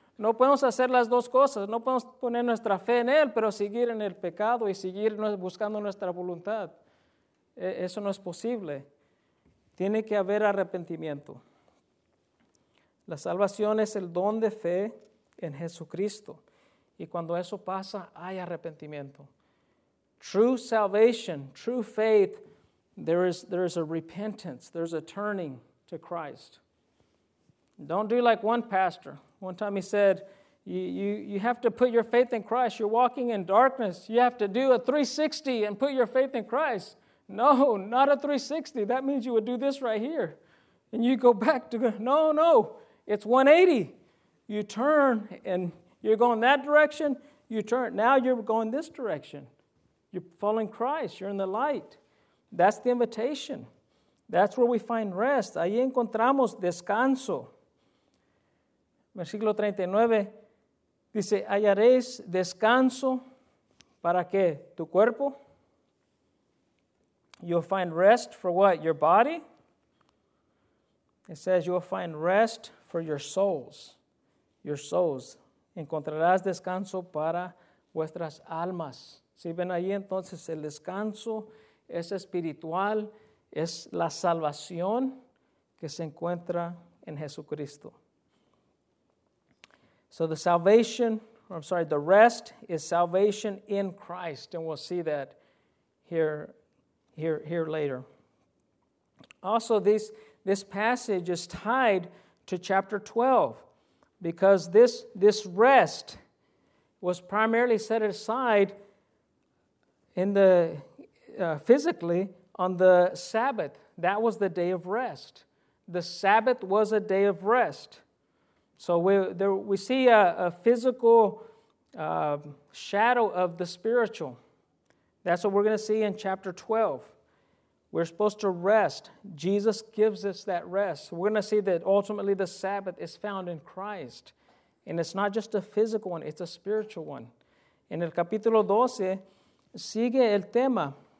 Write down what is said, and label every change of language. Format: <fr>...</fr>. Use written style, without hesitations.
<es>No podemos hacer las dos cosas. No podemos poner nuestra fe en Él, pero seguir en el pecado y seguir buscando nuestra voluntad. Eso no es posible. Tiene que haber arrepentimiento. La salvación es el don de fe en Jesucristo. Y cuando eso pasa, hay arrepentimiento.</es> <en>True salvation, true faith, there is a repentance, there's a turning to Christ. Don't do like one pastor. One time he said, you have to put your faith in Christ. You're walking in darkness. You have to do a 360 and put your faith in Christ. No, not a 360. That means you would do this right here. And you go back to, no, it's 180. You turn and you're going that direction. You turn. Now you're going this direction. You're following Christ. You're in the light. That's the invitation. That's where we find rest.</en> <es>Ahí encontramos descanso. Versículo 39 dice, hallaréis descanso para que tu cuerpo.</es> <en>You'll find rest for what? Your body? It says you'll find rest for your souls. Your souls.</en> <es>Encontrarás descanso para vuestras almas. Si ven ahí, entonces el descanso es espiritual. Es la salvación que se encuentra en Jesucristo.</es> <en>So the salvation, or I'm sorry, the rest is salvation in Christ. And we'll see that here later. Also, this passage is tied to chapter 12 because this rest was primarily set aside in the physically on the Sabbath. That was the day of rest. The Sabbath was a day of rest. So we see a physical shadow of the spiritual. That's what we're going to see in chapter 12. We're supposed to rest. Jesus gives us that rest. We're going to see that ultimately the Sabbath is found in Christ. And it's not just a physical one, it's a spiritual one.</en> <es>En el capítulo 12, sigue el tema.</es>